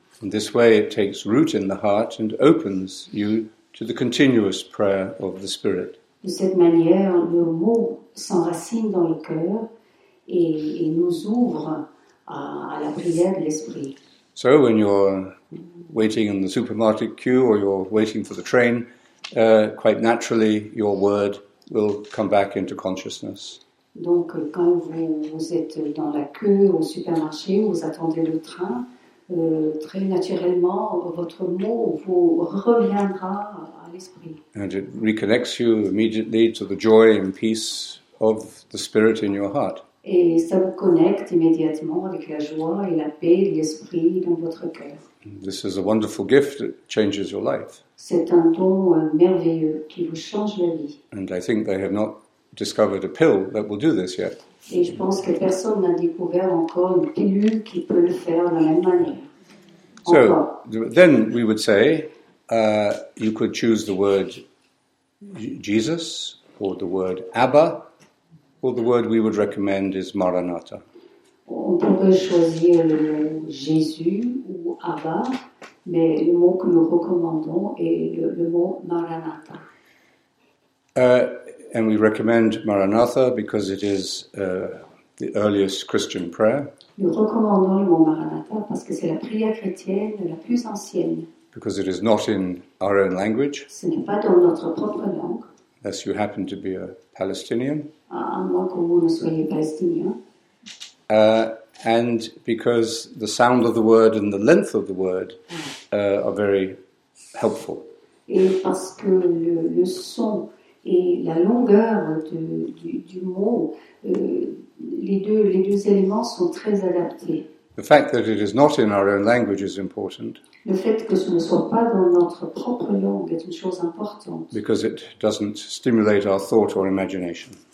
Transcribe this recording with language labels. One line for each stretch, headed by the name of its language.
English: In this way, it takes root in the heart and opens you to the continuous prayer of the Spirit.
French: De cette manière, le mot s'enracine dans le cœur et nous ouvre à la prière de l'Esprit.
English: So, when you're waiting in the supermarket queue or you're waiting for the train, quite naturally, your word will come back into consciousness.
French: Donc, quand vous êtes dans la queue au supermarché, vous attendez le train, très naturellement, votre mot vous reviendra à l'esprit.
English: And it reconnects you immediately to the joy and peace of the Spirit in your heart.
French: Et ça vous connecte immédiatement avec la joie et la paix de l'esprit dans votre cœur.
English: This is a wonderful gift that changes your life.
French: C'est un don merveilleux qui vous change la vie.
English: And I think they have not discovered a pill that will do this yet.
French: Et je pense que personne n'a découvert encore une pilule qui peut le faire de la même manière.
English: So, then we would say, you could choose the word Jesus, or the word Abba, or the word we would recommend is Maranatha.
French: On pourrait choisir le mot Jésus ou Abba, mais le mot que nous recommandons est le mot Maranatha.
English: And we recommend Maranatha because it is the earliest Christian prayer.
French: Nous recommandons le mot Maranatha parce que c'est la prière chrétienne la plus ancienne.
English: Because it is not in our own language.
French: Ce n'est pas dans notre propre langue.
English: Unless you happen to be a Palestinian.
French: À moins que vous ne soyez palestinien.
English: And because the sound of the word and the length of the word are very helpful.
French: Et parce que le son et la longueur du mot, les deux éléments sont très adaptés.
English: The fact that it is not in our own language is important.
French: Le fait que ce ne soit pas dans notre propre langue est une chose importante.
English: Because it doesn't stimulate our thought or imagination.